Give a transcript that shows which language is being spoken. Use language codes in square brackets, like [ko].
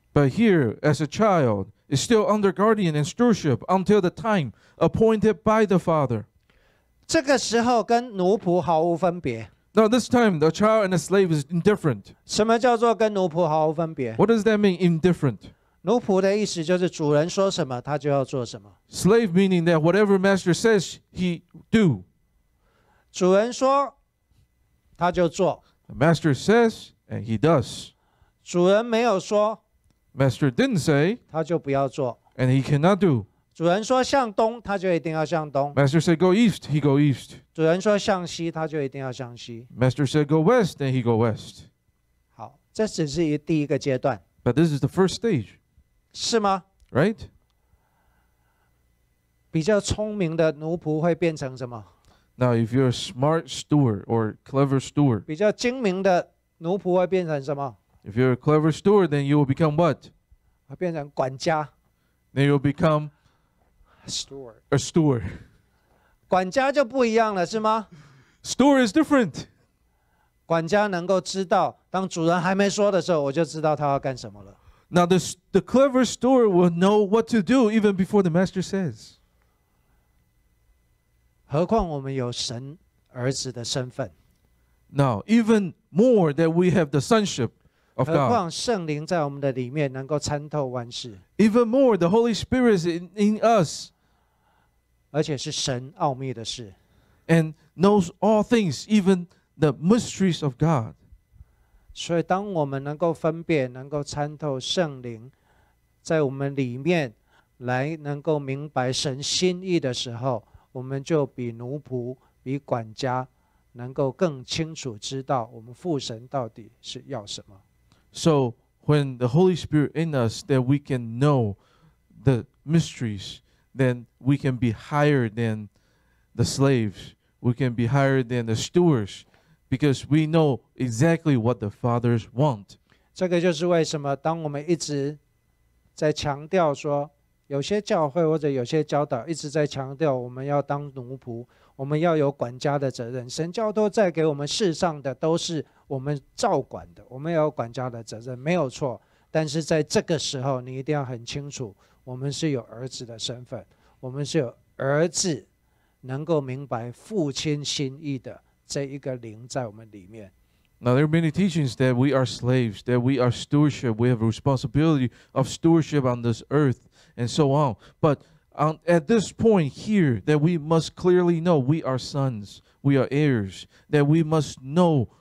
[en] But here, as a child, is still under guardian and stewardship until the time appointed by the father. [zh] 这个时候跟奴仆毫无分别。 [en] Now this time, the child and the slave is indifferent. [zh] 什么叫做跟奴仆毫无分别？ [en] What does that mean, indifferent? [zh] 奴仆的意思就是主人说什么，他就要做什么。 [en] Slave meaning that whatever master says, he do. [zh] 主人说，他就做。 [en] The master says, and he does. [zh] 主人没有说。 [en] Master didn't say, [zh] 他就不要做。 [en] And he cannot do. [zh] 主人说向东，他就一定要向东。 [en] Master said go east, he go east. [zh] 主人说向西，他就一定要向西。 [en] Master said go west, then he go west. [zh] 好，这只是第一个阶段。 [en] But this is the first stage. [zh] 是吗？ [en] Right? [zh] 比较聪明的奴仆会变成什么？ [en] Now if you're a smart steward or clever steward. [zh] 比较精明的奴仆会变成什么？ [en] If you're a clever steward, then you will become what? [zh] 变成管家。 [en] Then you'll become steward. A steward. [zh] 管家就不一样了，是吗？ [en] Steward is different. [zh] 管家能够知道，当主人还没说的时候，我就知道他要干什么了。 [en] Now the clever steward will know what to do even before the master says. [zh] 何况我们有神儿子的身份。 [en] Now even more that we have the sonship. [zh] 何况圣灵在我们的里面能够参透万事。 [en] Even more, the Holy Spirit is in us. [zh] 而且是神奥秘的事。 [en] And knows all things, even the mysteries of God. [zh] 所以当我们能够分辨，能够参透圣灵在我们里面来能够明白神心意的时候，我们就比奴仆，比管家能够更清楚知道我们父神到底是要什么。 [en] So when the Holy Spirit in us, that we can know the mysteries, then we can be higher than the slaves. We can be higher than the stewards, because we know exactly what the fathers want. [zh] 这个就是为什么当我们一直在强调说，有些教会或者有些教导一直在强调我们要当奴仆，我们要有管家的责任。神教都在给我们世上的都是我们照管的，我们要有管家的责任，没有错。但是在这个时候，你一定要很清楚，我们是有儿子的身份，我们是有儿子能够明白父亲心意的这一个灵在我们里面。 [en] Now there are many teachings that we are slaves, that we are stewardship, we have a responsibility of stewardship on this earth, and so on. But at this point here, that we must clearly know we are sons, we are heirs, that we must know.